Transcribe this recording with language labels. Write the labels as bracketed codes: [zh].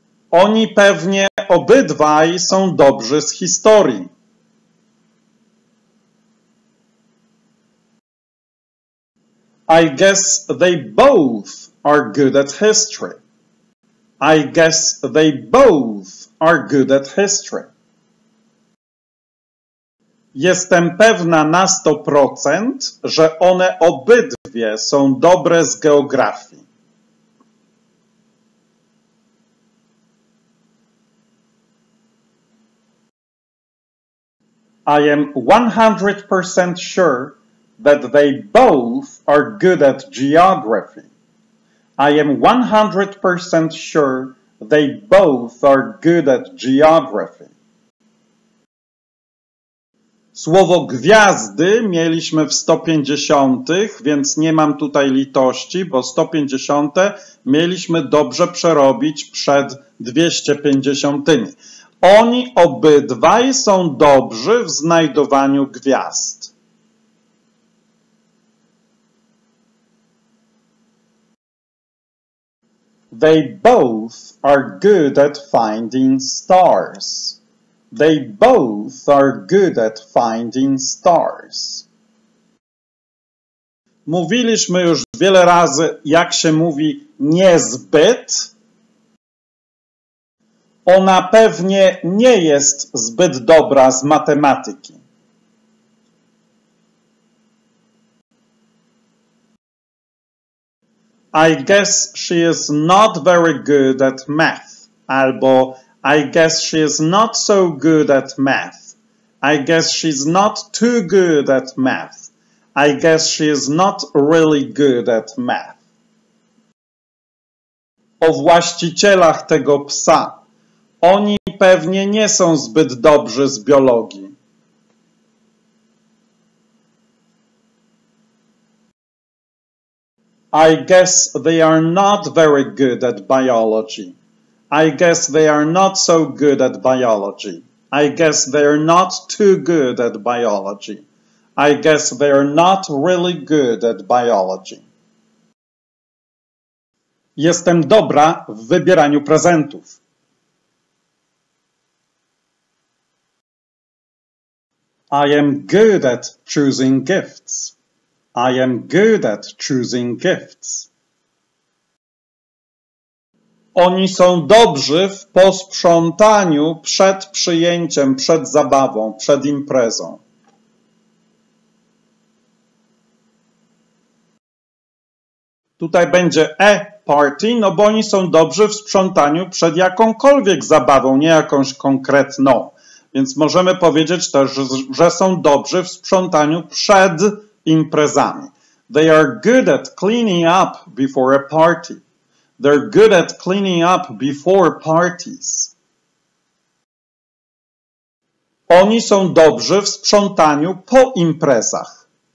[pl] Oni pewnie obydwaj są dobrzy z historii. [en] I guess they both are good at history. I guess they both are good at history. [pl] Jestem pewna na 100%, że one obydwie są dobre z geografii. [en] I am 100% sure that they both are good at geography. I am 100% sure they both are good at geography. [pl] Słowo gwiazdy mieliśmy w 150, więc nie mam tutaj litości, bo 150 mieliśmy dobrze przerobić przed 250. Oni obydwaj są dobrzy w znajdowaniu gwiazd. [en] They both are good at finding stars. They both are good at finding stars. [pl] Mówiliśmy już wiele razy, jak się mówi niezbyt. Ona pewnie nie jest zbyt dobra z matematyki. [en] I guess she is not very good at math. [pl] Albo [en] I guess she is not so good at math. I guess she's not too good at math. I guess she is not really good at math. [pl] O właścicielach tego psa. Oni pewnie nie są zbyt dobrzy z biologii. [en] I guess they are not very good at biology. I guess they are not so good at biology. I guess they are not too good at biology. I guess they are not really good at biology. [pl] Jestem dobra w wybieraniu prezentów. [en] I am good at choosing gifts. I am good at choosing gifts. [pl] Oni są dobrzy w posprzątaniu przed przyjęciem, przed zabawą, przed imprezą. tutaj będzie [en] a party, [pl] no bo oni są dobrzy w sprzątaniu przed jakąkolwiek zabawą, nie jakąś konkretną. Więc możemy powiedzieć też, że są dobrzy w sprzątaniu przed imprezami. [en] They are good at cleaning up before a party. They're good at cleaning up before parties. [pl] Oni są dobrzy w sprzątaniu po imprezach.